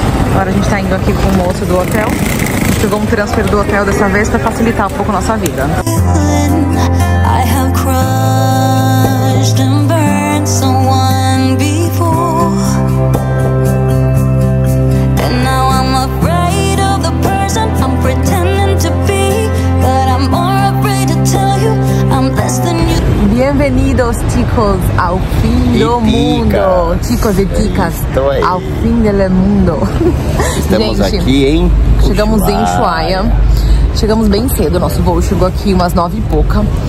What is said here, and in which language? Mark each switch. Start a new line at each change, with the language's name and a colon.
Portuguese: Agora a gente tá indo aqui com o moço do hotel. A gente pegou um transfer do hotel dessa vez pra facilitar um pouco a nossa vida.
English: I have crushed and burned someone before. And now I'm afraid of the person I'm pretending to be. But I'm more afraid to tell you I'm less than you.
Spanish: Bienvenidos, chicos,
Portuguese: ao fim do mundo. Chicos e chicas, ao fim do mundo. Estamos gente, aqui em Ushuaia. Chegamos em Ushuaia. Chegamos bem cedo, nosso voo chegou aqui umas 9 e pouca.